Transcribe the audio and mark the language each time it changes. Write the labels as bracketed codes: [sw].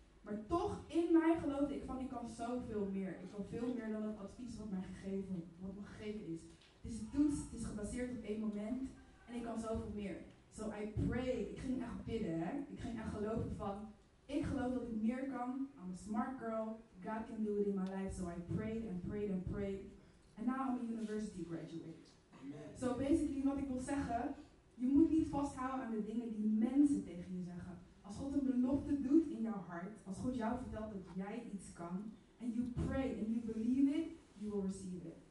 [nl] Maar toch in mij geloofde ik van, ik kan zoveel meer. Ik kan veel meer dan het advies wat mij gegeven, wat me gegeven is. Het is een toets, het is gebaseerd op één moment. En ik kan zoveel meer. [en] So I pray. [nl] Ik ging echt bidden, hè. Ik ging echt geloven van, ik geloof dat ik meer kan. [en] I'm a smart girl. God can do it in my life. So I prayed and prayed and prayed. And now I'm a university graduate. Amen. So basically [nl] wat ik wil zeggen, je moet niet vasthouden aan de dingen die mensen tegen je zeggen. Als God een belofte doet in jouw hart, als God jou vertelt dat jij iets kan, [en] and you pray and you believe it, you will receive it.